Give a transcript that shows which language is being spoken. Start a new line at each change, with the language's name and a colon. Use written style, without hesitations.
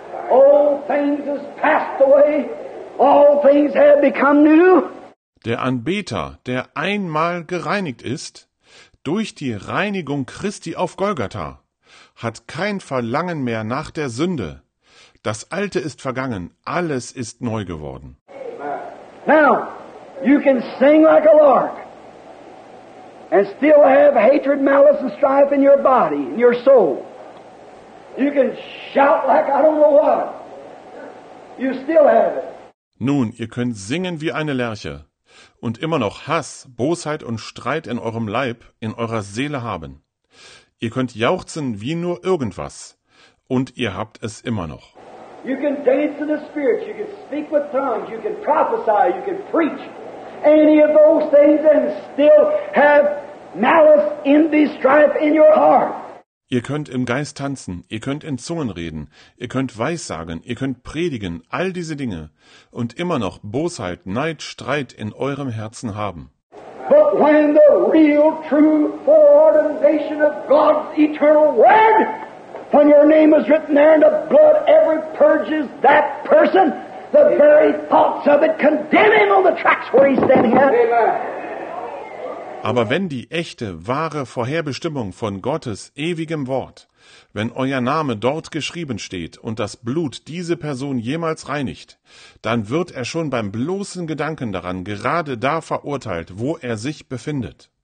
English: All things has passed away. All things have become new.
German: Der Anbeter, der einmal gereinigt ist, durch die Reinigung Christi auf Golgatha, hat kein Verlangen mehr nach der Sünde. Das Alte ist vergangen. Alles ist neu geworden.
English: Now, you can sing like a lark and still have hatred, malice, and strife in your body, in your soul. You can shout like I don't know what. You still have it.
German: Nun, ihr könnt singen wie eine Lerche und immer noch Hass, Bosheit und Streit in eurem Leib, in eurer Seele haben. Ihr könnt jauchzen wie nur irgendwas und ihr habt es immer noch.
English: You can dance in the spirit, you can speak with tongues, you can prophesy, you can preach any of those things and still have malice, envy, strife in your heart.
German: Ihr könnt im Geist tanzen, ihr könnt in Zungen reden, ihr könnt weissagen, ihr könnt predigen, all diese Dinge und immer noch Bosheit, Neid, Streit in eurem Herzen haben.
English: But when the real, true foreordination of God's eternal word, when your name is written there and the blood ever purges that person, the very thoughts of it condemn him on the tracks where he's standing at.
German: Aber wenn die echte, wahre Vorherbestimmung von Gottes ewigem Wort, wenn euer Name dort geschrieben steht und das Blut diese Person jemals reinigt, dann wird er schon beim bloßen Gedanken daran gerade da verurteilt, wo er sich befindet.